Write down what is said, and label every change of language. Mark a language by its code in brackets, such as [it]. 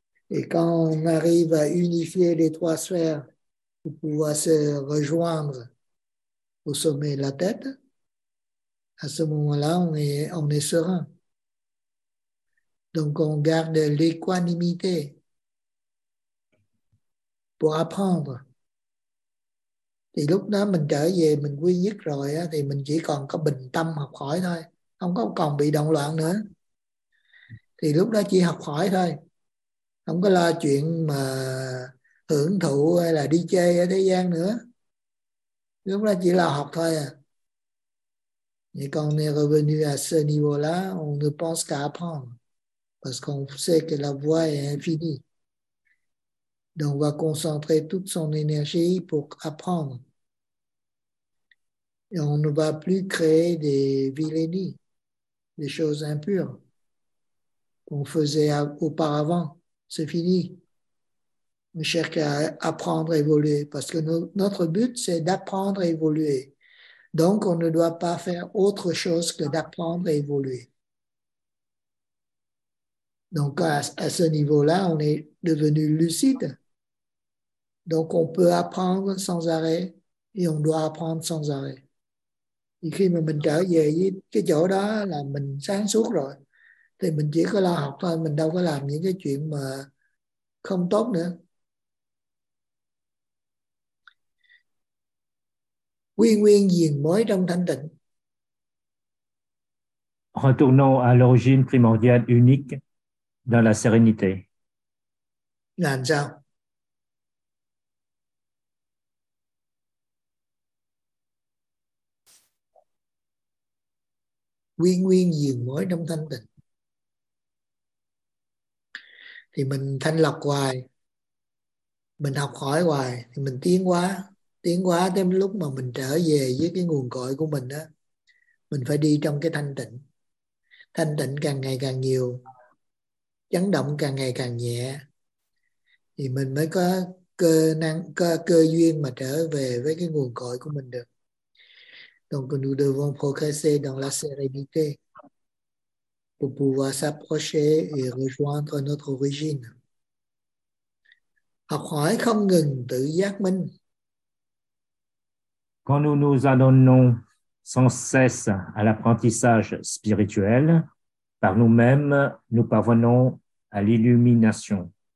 [fr] Et quand on arrive à unifier les trois sphères pour pouvoir se rejoindre au sommet de la tête, à ce moment-là, on est serein. Donc, on garde l'équanimité pour apprendre. [vi] Thì lúc đó mình trở về, mình quy nhất rồi, thì mình chỉ còn có bình tâm học hỏi thôi, không có còn bị động loạn nữa. Thì lúc đó chỉ học hỏi thôi, không có lo chuyện mà hưởng thụ hay là đi chơi ở thế gian nữa. Lúc đó chỉ là học thôi à. [fr] Et quand on est revenu à ce niveau-là, on ne pense qu'à apprendre. Parce qu'on sait que la voie est infinie. Donc on va concentrer toute son énergie pour apprendre. Et on ne va plus créer des vilenies, des choses impures qu'on faisait auparavant. C'est fini. On cherche à apprendre, évoluer. Parce que notre but, c'est d'apprendre, évoluer. Donc, on ne doit pas faire autre chose que d'apprendre, évoluer. Donc, à ce niveau-là, on est devenu lucide. Donc, on peut apprendre sans arrêt et on doit apprendre sans arrêt. [vi] Et khi mà mình trở về cái chỗ đó là mình sáng suốt rồi, thì mình chỉ có lo học thôi, mình đâu có làm những cái chuyện mà không tốt nữa. Quy nguyên diền mối trong thanh tịnh. [fr] Retournons à l'origine primordiale unique dans la sérénité. [vi] Làm sao? Quy nguyên diền mối trong thanh tịnh. Thì mình thanh lọc hoài, mình học hỏi hoài, thì mình tiến hóa. Tiến hóa tới lúc mà mình trở về với cái nguồn cội của mình đó, mình phải đi trong cái thanh tịnh. Thanh tịnh càng ngày càng nhiều, chấn động càng ngày càng nhẹ, thì mình mới có cơ năng, có cơ duyên mà trở về với cái nguồn cội của mình được. [fr] Donc nous devons progresser dans la sérénité. pour pouvoir s'approcher et rejoindre notre origine. [vi] Học hỏi không ngừng tự giác mình. [fr] Quand nous nous adonnons sans cesse à l'apprentissage spirituel, par nous-mêmes, nous parvenons à l'illumination.